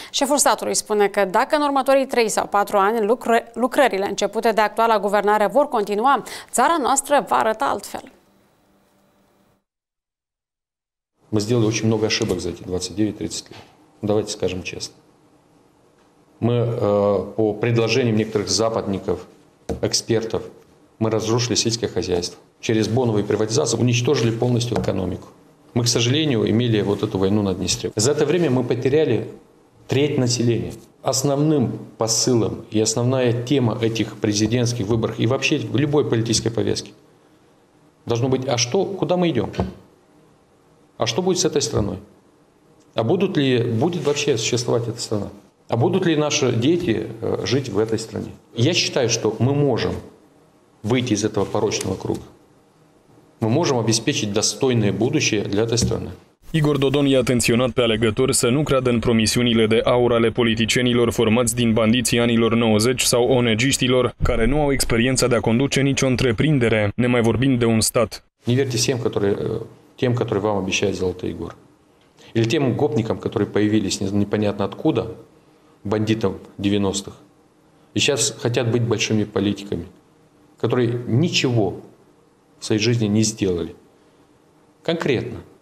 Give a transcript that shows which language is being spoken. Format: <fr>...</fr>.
<ro>Șeful statului spune că dacă în următorii 3 sau 4 ani lucrările începute de actuala guvernare vor continua, țara noastră va arăta altfel. Am făcut foarte multe greșeli în acești 29-30 de ani. Să spunem sincer.</ro> <ru>Мы по предложениям некоторых западников, экспертов, мы разрушили сельское хозяйство. Через боновую приватизацию уничтожили полностью экономику. Мы, к сожалению, имели вот эту войну на Днестре. За это время мы потеряли треть населения. Основным посылом и основная тема этих президентских выборов и вообще в любой политической повестке должно быть, а что, куда мы идем? А что будет с этой страной? А будут ли, будет вообще существовать эта страна? А будут ли наши дети жить в этой стране? Я считаю, что мы можем выйти из этого порочного круга. Мы можем обеспечить достойное будущее для этой страны.</ru> <ro>Igor Dodon i-a atenționat pe alegători să nu creadă în promisiunile de aur ale politicienilor formați din bandiții anilor 90 sau ONG-știlor, care nu au experiența de a conduce nicio întreprindere, nemai vorbind de un stat.</ro> <ru>Не верьте тем, которые вам обещают золотые горы. Или тем гопникам, которые появились непонятно откуда, бандитам 90-х. И сейчас хотят быть большими политиками, которые ничего в своей жизни не сделали. Конкретно.</ru>